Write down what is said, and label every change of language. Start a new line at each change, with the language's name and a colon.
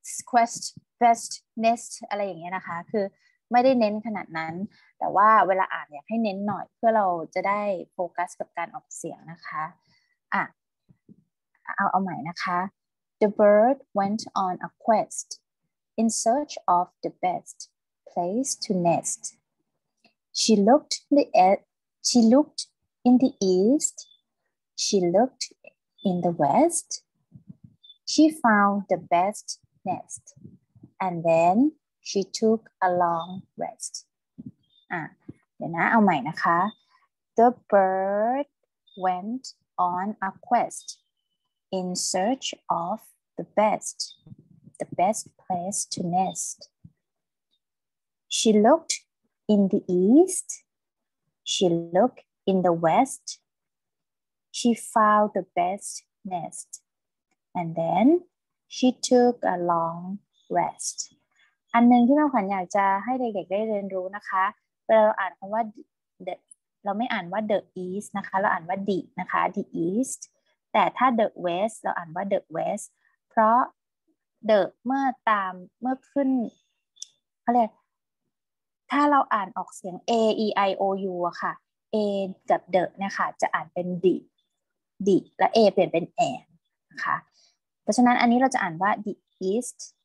Thai: quest best nest อะไรอย่างเงี้ยนะคะคือไม่ได้เน้นขนาดนั้นแต่ว่าเวลาอ่านอยากให้เน้นหน่อยเพื่อเราจะได้โฟกัสกับการออกเสียงนะคะเอาใหม่นะคะ
English: the bird went on a quest in search of the best place to nestShe looked in the east. She looked in the west. She found the best nest, and then she took a long rest.
Thai: เดี๋ยวนะเอาใหม่นะคะ
English: The bird went on a quest in search of the best place to nest. She lookedIn the east, she looked in the west, she found the best nest, and then she took a long rest.
Thai: อันหนึ่งที่แม่ขวัญอยากจะให้เด็กๆได้เรียนรู้นะคะเวลาเราอ่านคำว่า the เราไม่อ่านว่า the east นะคะเราอ่านว่า the นะคะ the east แต่ถ้า the west เราอ่านว่า the west เพราะ the เมื่อขึ้นเขาเรียกถ้าเราอ่านออกเสียง a e i o u อะค่ะ a กับ the เนี่ยค่ะจะอ่านเป็น the และ a เปลี่ยนเป็น an นะคะเพราะฉะนั้นอันนี้เราจะอ่านว่า the east